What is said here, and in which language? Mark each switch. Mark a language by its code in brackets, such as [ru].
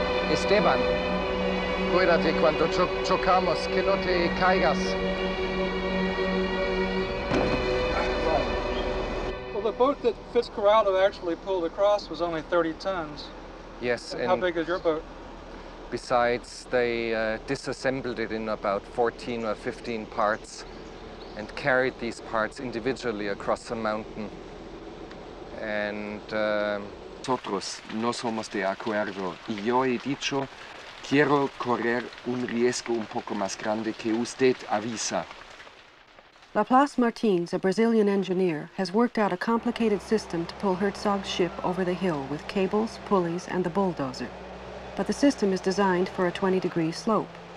[es] Esteban, cuídate cuando chocamos, que no te caigas. [en] Well, the boat that Fitzcarraldo actually pulled across was only 30 tons. Yes. And how big is your boat? Besides, they disassembled it in about 14 or 15 parts and carried these parts individually across the mountain. And [es] nosotros no somos de acuerdo. Y yo he dicho, quiero correr un riesgo un poco más grande que usted avisa. [en] Laplace Martins, a Brazilian engineer, has worked out a complicated system to pull Herzog's ship over the hill with cables, pulleys, and the bulldozer. But the system is designed for a 20-degree slope.